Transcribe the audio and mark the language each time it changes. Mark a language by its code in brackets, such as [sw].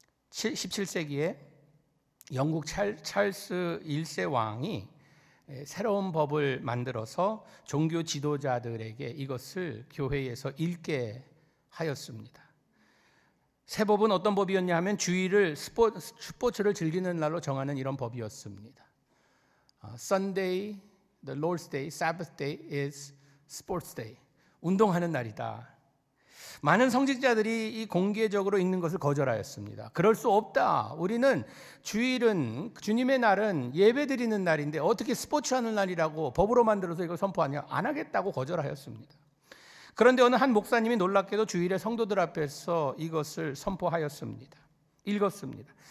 [ko] 17세기에 영국 찰스 1세 왕이 새로운 법을 만들어서 종교 지도자들에게 이것을 교회에서 읽게 하였습니다. 새 법은 어떤 법이었냐 하면 주일을 스포츠를 즐기는 날로 정하는 이런 법이었습니다. [en] Sunday, the Lord's Day, Sabbath Day is sports day. [ko] 운동하는 날이다. 많은 성직자들이 이 공개적으로 읽는 것을 거절하였습니다. 그럴 수 없다. 우리는 주일은 주님의 날은 예배드리는 날인데 어떻게 스포츠하는 날이라고 법으로 만들어서 이걸 선포하냐? 안 하겠다고 거절하였습니다. 그런데 어느 한 목사님이 놀랍게도 주일에 성도들 앞에서 이것을 선포하였습니다. 읽었습니다.